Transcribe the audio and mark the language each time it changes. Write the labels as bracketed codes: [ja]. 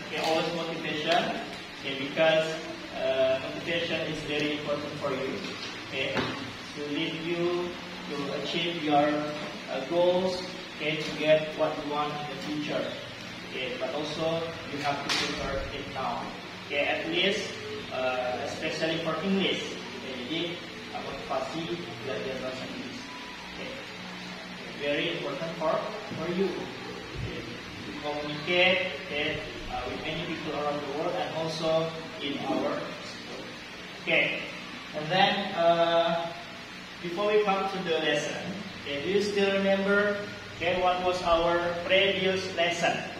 [en] Okay, always motivation. Okay, because motivation is very important for you. Okay, to lead you to achieve your goals, okay, to get what you want in the future. Okay, but also you have to prepare it now. Okay, at least especially for English. [id] Okay, jadi motivasi belajar bahasa Inggris. [en] Okay, very important for you. Okay, to communicate with many people around the world and also in our school. Okay. And then, before we come to the lesson, okay, do you still remember, okay, what was our previous lesson?